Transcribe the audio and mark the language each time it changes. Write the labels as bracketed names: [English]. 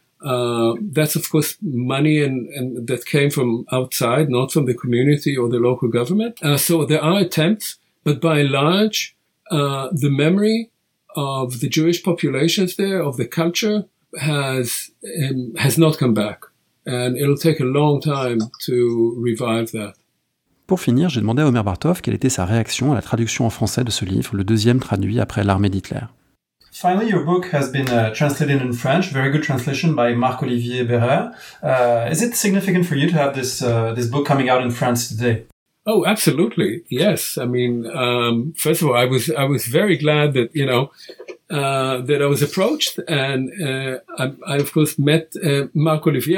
[English] That's, of course, money and that came from outside, not from the community or the local government. So there are attempts, but by and large, the memory of the Jewish populations there, of the culture, has not come back, and it'll take a long time to revive that. [French] Pour finir, j'ai demandé à Omer Bartov quelle était sa réaction à la traduction en français de ce livre, le deuxième traduit après l'armée d'Hitler. [English] Finally, your book has been translated in French, very good translation by Marc-Olivier Berrer. Is it significant for you to have this book coming out in France today? Oh, absolutely. Yes. I mean, first of all, I was very glad that, that I was approached, and I of course met Marc-Olivier.